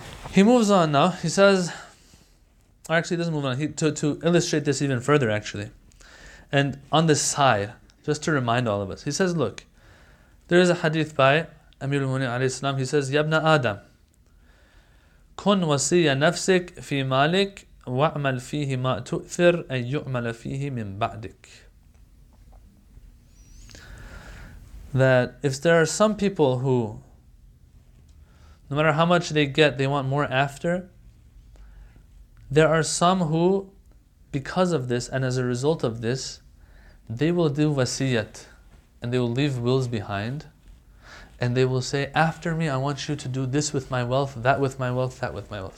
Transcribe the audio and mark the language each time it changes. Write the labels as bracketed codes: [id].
[en] He moves on now. He says, or actually, he doesn't move on. To illustrate this even further, actually. And on the side, just to remind all of us, he says, look, there is a hadith by Amir al-Mu'minin alayhi salam. He says, Yabna Adam. [ar] كن وصي نفسك في مالك وعمل فيه ما تؤثر أن يعمل فيه من بعدك. [en] That if there are some people who, no matter how much they get, they want more after, there are some who, because of this and as a result of this, they will do wasiyat, and they will leave wills behind, and they will say, after me, I want you to do this with my wealth, that with my wealth, that with my wealth.